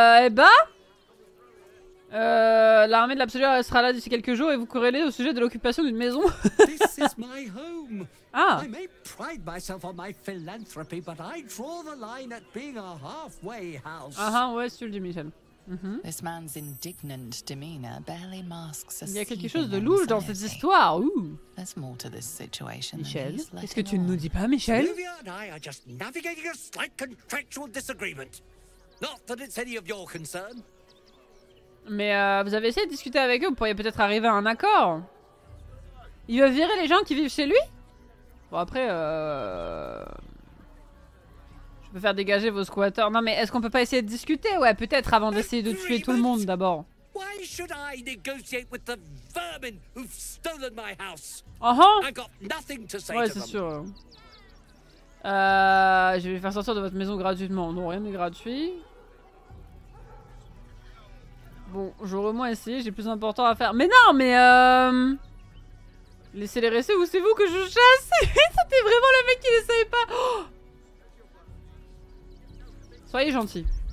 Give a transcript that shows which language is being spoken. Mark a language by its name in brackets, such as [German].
[French] L'armée de l'absolu sera là d'ici quelques jours et vous corrélez au sujet de l'occupation d'une maison. [English] This is my home. Ah. I may pride myself on my philanthropy, but I draw the line at being a halfway house. [French] Ah ah, ouais, sur le Michel. Mm-hmm. [English] This man's indignant demeanor barely masks a... [French] Il y a quelque chose de louche dans cette histoire. [English] There's more to this situation. [French] Michel, est-ce que tu ne nous dis pas, Michel? [English] Olivia and I are just navigating a slight contractual disagreement. Not that it's any of your concern. [French] Mais vous avez essayé de discuter avec eux, vous pourriez peut-être arriver à un accord. Il veut virer les gens qui vivent chez lui? Bon, après, je peux faire dégager vos squatters. Non, mais est-ce qu'on peut pas essayer de discuter? Ouais, peut-être avant d'essayer de tuer tout le monde d'abord. [English] Why should I negotiate with the vermin who've stolen my house? I got nothing to say. [French] Ouais, [English] to [French] c'est [English] them. [French] Sûr. Je vais faire sortir de votre maison gratuitement. Non, rien n'est gratuit. Bon, j'aurais au moins essayé, j'ai plus important à faire. Mais non, mais laissez les rester ou c'est vous que je chasse. C'était vraiment le mec qui ne savait pas. Soyez gentils.